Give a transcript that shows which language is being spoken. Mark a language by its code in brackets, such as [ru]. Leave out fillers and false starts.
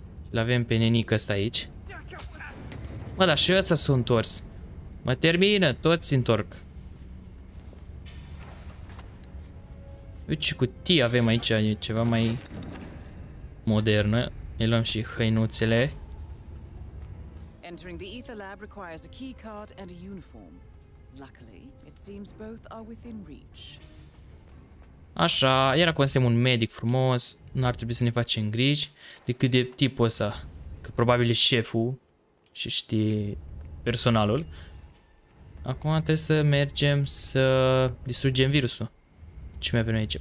[ro] L-avem pe nenică ăsta aici. Mă, dar și ăsta s-a întors. Mă termină, toți întorc. Uite ce cutie avem aici, e ceva mai modernă. Ne luăm și hăinuțele. [en] Entering the Ether Lab requires a key card and a uniform. Luckily, it seems both are within reach. [ro] Așa, era cum să un medic frumos, nu ar trebui să ne facem griji decât de tipul ăsta, că probabil e șeful și știe personalul. Acum trebuie să mergem să distrugem virusul. Ce mai avem aici?